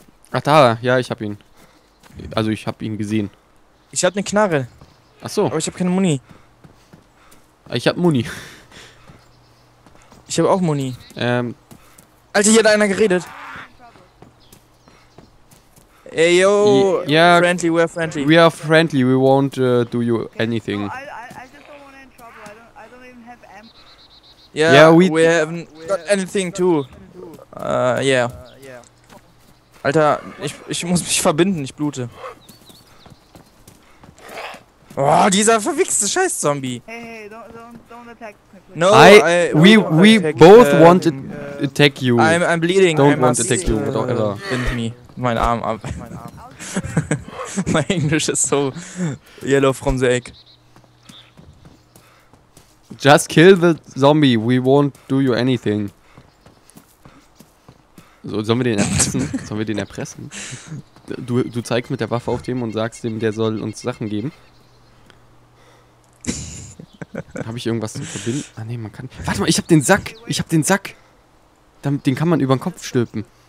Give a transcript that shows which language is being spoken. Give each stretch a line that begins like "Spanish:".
German: Ach da, ja, ich hab ihn. Also ich hab ihn gesehen. Ich hab ne Knarre. Ach so. Aber ich hab keine Muni. Ich hab Muni. Ich hab auch Muni. Alter, hier hat einer geredet.
English: Ey, yo, yeah, friendly, we're friendly. We are friendly, we won't do you anything. I just don't want to in trouble, I don't even have amp. Yeah, we haven't got anything too. Yeah.
German: Alter, ich muss mich verbinden, ich blute. Oh, dieser verwichste Scheiß-Zombie.
English: Hey, don't attack me, please. No, I we attack, both want to attack you. I'm bleeding. Don't I'm want to attack you, whatever. Bind me.
German: Mein Arm ab. Mein Englisch ist so
English: yellow from the egg. Just kill the zombie, we won't do you anything.
German: So, sollen wir den erpressen? Sollen wir den erpressen? Du zeigst mit der Waffe auf dem und sagst dem, der soll uns Sachen geben. Habe ich irgendwas zu verbinden? Ah nee, man kann. Warte mal, ich hab den Sack! Den kann man über den Kopf stülpen.